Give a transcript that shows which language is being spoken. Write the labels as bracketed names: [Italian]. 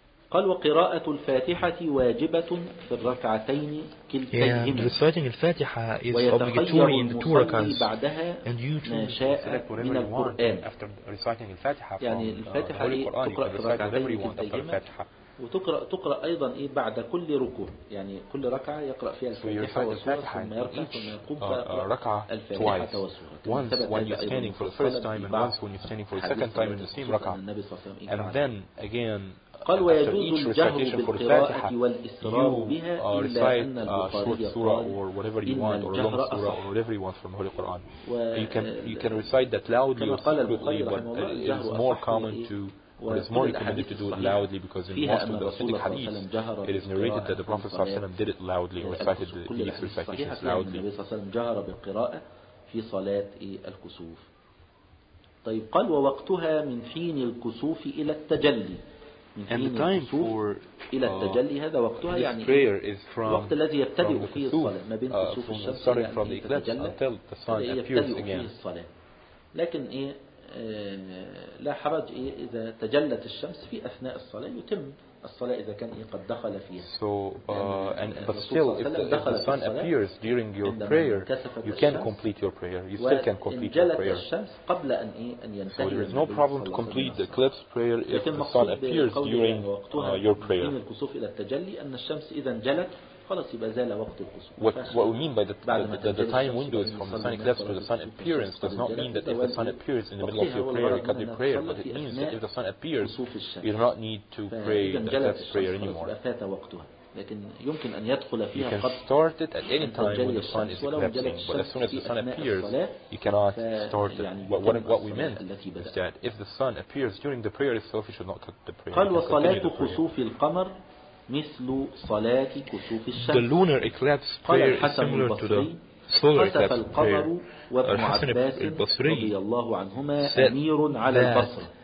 [Arabic] قال وقراءة الفاتحة واجبة في الركعتين كلتيهما. [English] And reciting الفاتحة is obligatory in the two rak'ahs. [Arabic] بعدها ما شاء من القرآن. [English] After reciting الفاتحة from the Holy Quran, you can recite whatever you want after the Fatiha. [Arabic] وتقرأ تقرأ أيضا إيه بعد كل ركوع، يعني كل ركعة يقرأ فيها الفاتحة والسورة ثم يرفع ثم يقوم ركعة الفاتحة والسورة. [English] Once when you're standing for the first time and once when you're standing for the second time in the same ركعة. And then again. [Arabic] قال ويجوز الجهر بالقراءة والإسراء بها إلا أن البخاري قال [English] or whatever you want or a long surah or whatever you want from Holy Quran. You can recite that loudly or secretly, but it's more common to or it's more recommended to do it loudly because in most of the authentic hadith it is narrated that the Prophet ﷺ did it loudly or recited the each recitations loudly. [Arabic] جهر بالقراءة في صلاة الكسوف. طيب قال ووقتها من حين الكسوف إلى التجلي. [English] And the time for this prayer is from [Arabic] الذي يبتدئ فيه الصلاة ما بين كسوف الشمس [English] starting from the eclipse until the sun appears again. [Arabic] لكن إيه لا حرج إيه إذا تجلت الشمس في أثناء الصلاة يتم الصلاة إذا كان إيه قد دخل فيها. [English] So and but still if the sun appears during your prayer you can complete your prayer. You still can complete your prayer. [Arabic] الشمس قبل أن إيه أن ينتهي. [English] So there is no problem to complete the eclipse prayer if the sun appears during your prayer. [Arabic] من الكسوف إلى التجلي أن الشمس إذا انجلت خلاص يبقى زال وقت الكسوف. [English] What we mean by the time window is from the sun eclipse to the sun appearance does not mean that if the sun appears in the middle of your prayer you cut your prayer, but it means that if the sun appears you do not need to pray the eclipse prayer anymore. [Arabic] لكن يمكن أن يدخل فيها قبل. [English] You can start it at any time when the sun is eclipsing, but as soon as the sun appears you cannot start it. What we meant is that if the sun appears during the prayer itself you should not cut the prayer. [Arabic] قال وصلاة كسوف القمر مثل صلاة كسوف الشمس. [English] The lunar eclipse prayer is similar to the solar eclipse prayer. [Arabic] وابن عباس البصري رضي الله عنهما أمير على البصر.